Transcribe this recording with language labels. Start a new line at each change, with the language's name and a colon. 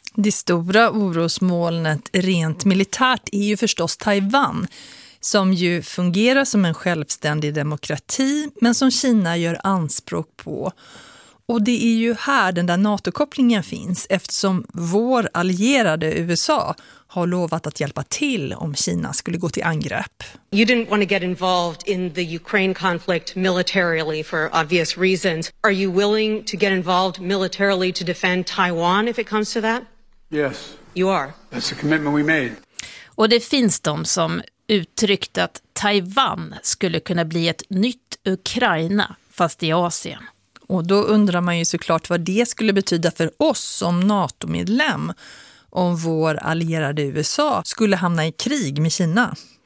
Swedish: Det stora orosmolnet rent militärt är ju förstås Taiwan, som ju fungerar som en självständig demokrati men som Kina gör anspråk på. Och det är ju här den där NATO-kopplingen finns, eftersom vår allierade USA har lovat att hjälpa till om Kina skulle gå till angrepp.
English: You didn't want to get involved in the Ukraine conflict militarily for obvious reasons. Are you willing to get involved militarily to defend Taiwan if it comes to that? Yes. You are. That's a commitment we made.
Swedish: Och det finns de som uttryckt att Taiwan skulle kunna bli ett nytt Ukraina, fast i Asien. Och då undrar man ju såklart vad det skulle betyda för oss som NATO-medlem om vår allierade USA skulle hamna i krig med Kina.